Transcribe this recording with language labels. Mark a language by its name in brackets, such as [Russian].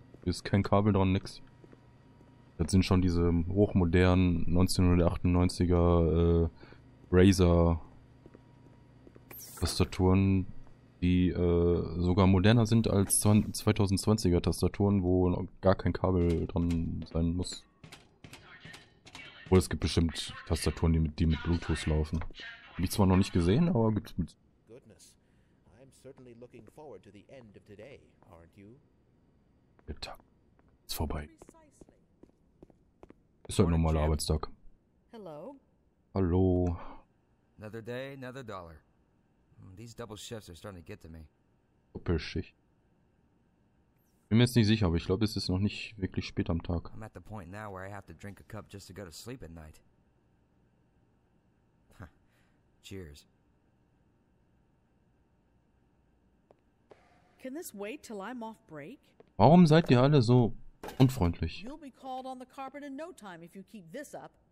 [German] Hier ist kein Kabel dran, nix. Das sind schon diese hochmodernen 1998er Razer Tastaturen. Die sogar moderner sind als 2020er Tastaturen, wo noch gar kein Kabel dran sein muss. Obwohl, es gibt bestimmt Tastaturen, die mit Bluetooth laufen. Hab ich zwar noch nicht gesehen, aber gibt's mit. [English] Goodness. I'm certainly looking forward to the end of today, aren't you? [German] Der Tag ist vorbei. Ist halt ein normaler Arbeitstag. [English] Hello. [German] Hallo. [English] Another day, another dollar. These double shifts are starting to get to me. [German] Doppelschicht. Bin mir jetzt nicht sicher, aber ich glaube, es ist noch nicht wirklich spät am Tag. [English] I'm at the point now where I have to drink a cup just to go to sleep at night. Cheers. Can this wait till I'm off break? [German] Warum seid ihr alle so unfreundlich? [English] You'll be called on the carpet in no time if you keep this up.